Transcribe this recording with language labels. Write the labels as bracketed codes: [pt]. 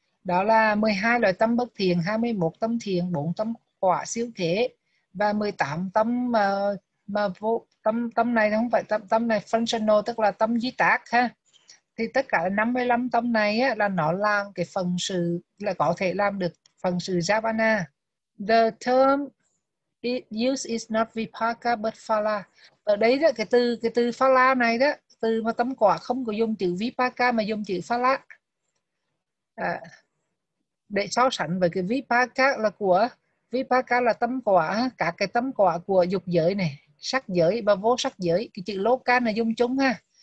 [vi] Đó là 12 loại tâm bất thiện, 21 tâm thiện, 4 tâm quả siêu thế và 18 tâm mà vô tâm tâm này không phải tâm tâm này functional, tức là tâm di tác ha. Thì tất cả 55 tâm này á, là nó làm cái phần sự, là có thể làm được phần sự Javana. [en] The term it used is not vipaka but phala. [vi] Ở đấy đó, cái từ phala này đó, từ mà tâm quả không có dùng chữ vipaka mà dùng chữ phala. À, để so sánh với cái vipaka là của vipaka là tâm quả, cả cái tâm quả của dục giới này, sắc giới và vô sắc giới, cái chữ loka là dùng chúng ha.